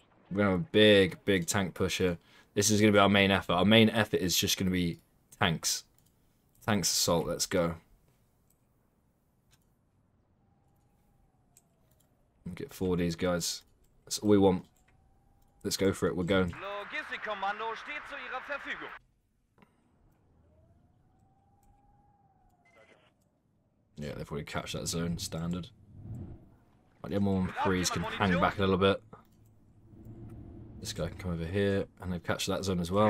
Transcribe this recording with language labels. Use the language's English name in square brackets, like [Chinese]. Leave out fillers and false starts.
[English] We're going to have a big tank push here. This is going to be our main effort. Our main effort is just going to be tanks. Tanks assault, let's go. Get 4 of these guys. That's all we want. Let's go for it, we're going. [German] Logistikkommando steht zu Ihrer Verfügung. [English] Yeah, they've already captured that zone, standard. Right, the M113s can hang back a little bit. This guy can come over here, and they've captured that zone as well.